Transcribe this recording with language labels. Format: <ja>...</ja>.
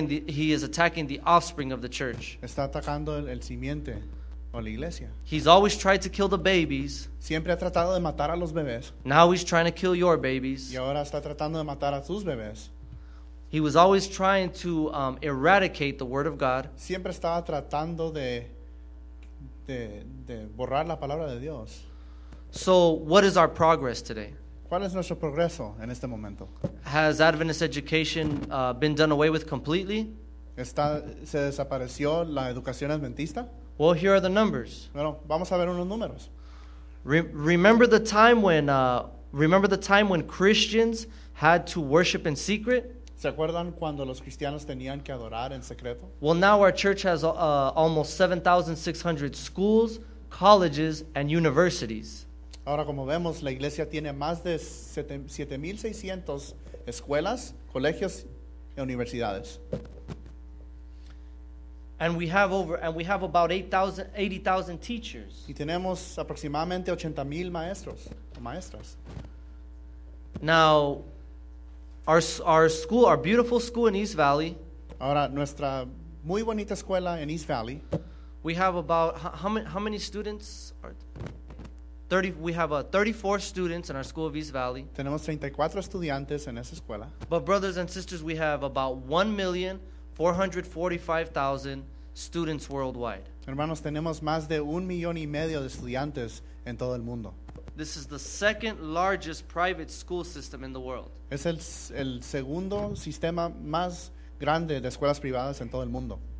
<en>He is attacking the offspring of the church.</en> <es>Está atacando el simiente o la iglesia.</es> <en>He's always tried to kill the babies.</en> <es>Siempre ha tratado de matar a los bebés.</es> <en>Now he's trying to kill your babies.</en> <es>Y ahora está tratando de matar a sus bebés.</es> <en>He was always trying to eradicate the word of God.</en> <es>Siempre estaba tratando de borrar la palabra de Dios.</es> <en>So, what is our progress today?</en> <es>¿Cuál es nuestro progreso en este momento?</es> <en>Has Adventist education been done away with completely?</en> <es>¿Se desapareció la educación adventista?</es> <en>Well, here are the numbers.</en> <es>Bueno, vamos a ver unos números.</es> <en>Remember the time when Christians had to worship in secret?</en> <es>¿Se acuerdan cuando los cristianos tenían que adorar en secreto?</es> <en>Well, now our church has almost 7,600 schools, colleges, and universities.</en> <es>Ahora, como vemos, la iglesia tiene más de 7,600 escuelas, colegios, y universidades.</es> <en>And we have about 80,000 teachers.</en> <es>Y tenemos aproximadamente 80,000 maestros o maestras.</es> <en>Now, our school, our beautiful school in East Valley.</en> <es>Ahora, nuestra muy bonita escuela en East Valley.</es> <en>We have about how many students? We have 34 students in our school of East Valley.</en> <es>Tenemos 34 estudiantes en esa escuela.</es> <en>But brothers and sisters, we have about 1,445,000 students worldwide.</en> <es>Hermanos, tenemos más de 1,500,000 de estudiantes en todo el mundo.</es> <en>This is the second largest private school system in the world.</en> <es>Es el segundo sistema más grande de escuelas privadas en todo el mundo.</es>